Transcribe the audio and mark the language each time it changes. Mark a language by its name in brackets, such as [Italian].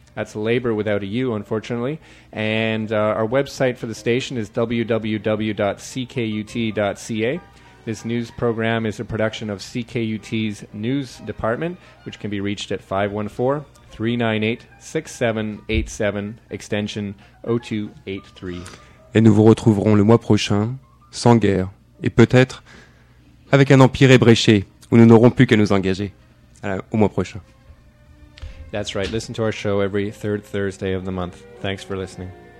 [English] That's labor without a U, unfortunately. And our website for the station is www.ckut.ca. This news program is a production of CKUT's news department, which can be reached at 514-398-6787, extension 0283. [French] Et nous vous retrouverons le mois prochain, sans guerre, et peut-être avec un empire ébréché, où nous n'aurons plus qu'à nous engager. Alors, au mois prochain. [English] That's right. Listen to our show every third Thursday of the month. Thanks for listening.